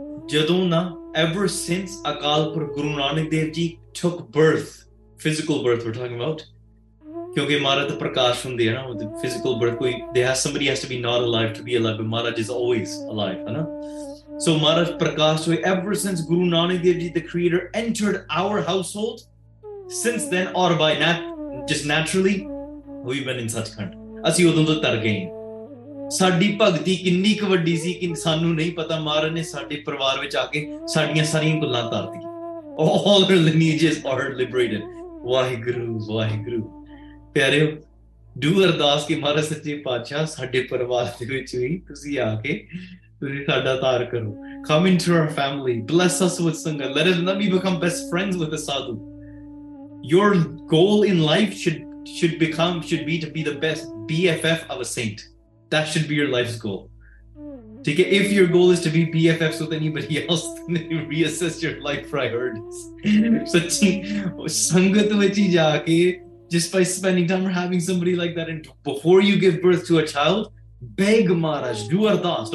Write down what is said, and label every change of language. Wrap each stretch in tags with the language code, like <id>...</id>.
<pa>ਜਦੋਂ ਨਾ</pa> <en>Ever since Akal Purakh Guru Nanak Dev ji took birth physical birth we're talking about. Because Maharaj Prakash from there, the physical birth, somebody has to be not alive to be alive, but Maharaj is always alive. Right? So Maharaj Prakash, ever since Guru Nanak Dev Ji, the creator, entered our household, since then, or by just naturally, we've been in Sachkhand.</en> <pa>Asi odon to tar gaye. ਸਾਡੀ ਭਗਤੀ ਕਿੰਨੀ ਕੁ ਵੱਡੀ ਸੀ ਕਿ ਸਾਨੂੰ ਨਹੀਂ ਪਤਾ ਮਹਾਰਾਜ ਨੇ ਸਾਡੇ ਪਰਿਵਾਰ ਵਿੱਚ ਆ ਕੇ ਸਾਡੀਆਂ ਸਾਰੀਆਂ ਗੱਲਾਂ ਤਾਰਤੀਆਂ। ਵਾਹਿਗੁਰੂ ਵਾਹਿਗੁਰੂ ਪਿਆਰੇ ਡੂ ਅਰਦਾਸ ਕਿ ਮਹਾਰਾਜ ਸੱਚੇ ਪਾਤਸ਼ਾਹ ਸਾਡੇ ਪਰਿਵਾਰ ਦੇ ਵਿੱਚ ਵੀ ਤੁਸੀਂ ਆ ਕੇ ਤੁਸੀਂ ਸਾਡਾ ਤਾਰ ਕਰੋ।</pa> <en>Come into our family, bless us with sangat, let us not be become best friends with a sadhu. Your goal in life should be the best BFF of a saint. That should be your life's goal. Take it. If your goal is to be BFFs with anybody else, then reassess your life priorities.</en> <pa>Sachi, sangat vich ja ke,</pa> <en>just by spending time or having somebody like that, and before you give birth to a child, beg Maharaj, do ardas.</en>